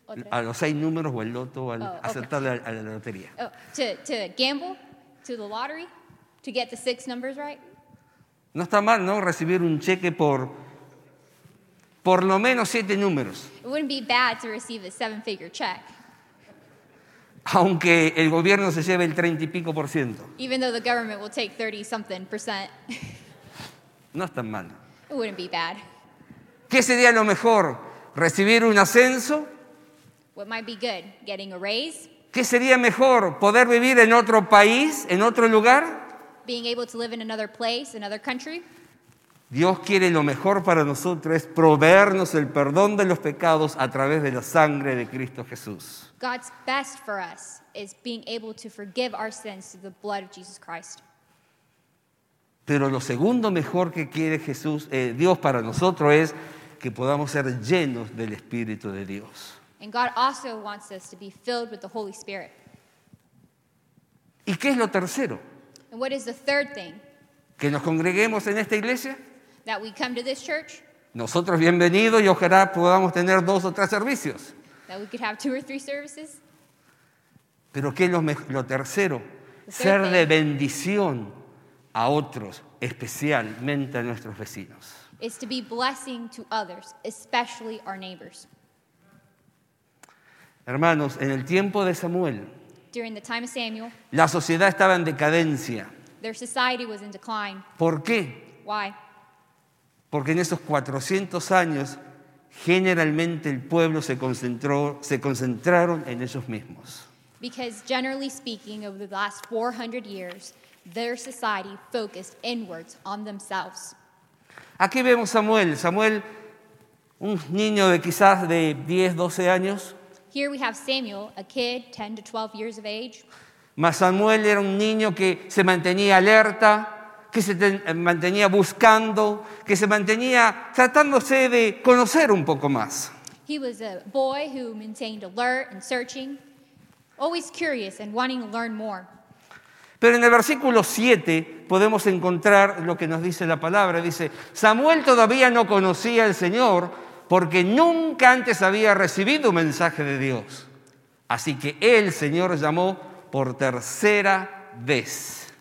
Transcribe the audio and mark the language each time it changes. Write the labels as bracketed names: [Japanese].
[Spanish] A los 6 números o el loto, acertarle a la lotería. [English] To gamble, to the lottery, to get the 6 numbers right. [Spanish] No está mal, ¿no? Recibir un cheque por lo menos 7 números. [English] It wouldn't be bad to receive a 7-figure check. [Spanish] Aunque el gobierno se lleve el 30%. [English] Even though the government will take 30-something percent. [Spanish] No está mal. [English] It wouldn't be bad. [Spanish] ¿Qué sería lo mejor? ¿Recibir un ascenso? [English] What might be good? Getting a raise? [Spanish] ¿Qué sería mejor? ¿Poder vivir en otro país, en otro lugar? [English] Being able to live in another place, another country? [Spanish] Dios quiere lo mejor para nosotros, es proveernos el perdón de los pecados a través de la sangre de Cristo Jesús. [English] God's best for us is being able to forgive our sins through the blood of Jesus Christ. [Spanish] Pero lo segundo mejor que quiere Dios para nosotros es que podamos ser llenos del Espíritu de Dios. [English] And God also wants us to be filled with the Holy Spirit. [Spanish] ¿Y qué es lo tercero? [English] And what is the third thing? [Spanish] ¿Que nos congreguemos en esta iglesia? [English] That we come to this church? [Spanish] Nosotros bienvenidos, y ojalá podamos tener 2 o 3 servicios. [English] That we could have 2 or 3 services? [Spanish] ¿Pero qué es lo tercero? Ser de bendición a otros, especialmente a nuestros vecinos. [English] Is to be blessing to others, especially our neighbors. [Spanish] Hermanos, en el tiempo de Samuel, [English] during the time of Samuel, [Spanish] la sociedad estaba en decadencia. [English] Their society was in decline. [Spanish] ¿Por qué? [English] Why? [Spanish] Porque en esos 400 años, generalmente el pueblo se concentraron en ellos mismos. [English] Because generally speaking, over the last 400 years, their society focused inwards on themselves. [Spanish] Aquí vemos Samuel. Samuel, un niño de quizás de 10, 12 años. [English] Here we have Samuel, a kid, 10 to 12 years of age. [Spanish] Mas Samuel era un niño que se mantenía alerta, que se mantenía buscando, que se mantenía tratándose de conocer un poco más. [English] He was a boy who maintained alert and searching, always curious and wanting to learn more. [Spanish] Pero en el versículo 7 podemos encontrar lo que nos dice la palabra. Dice, Samuel todavía no conocía al Señor porque nunca antes había recibido un mensaje de Dios. Así que el Señor llamó por tercera vez.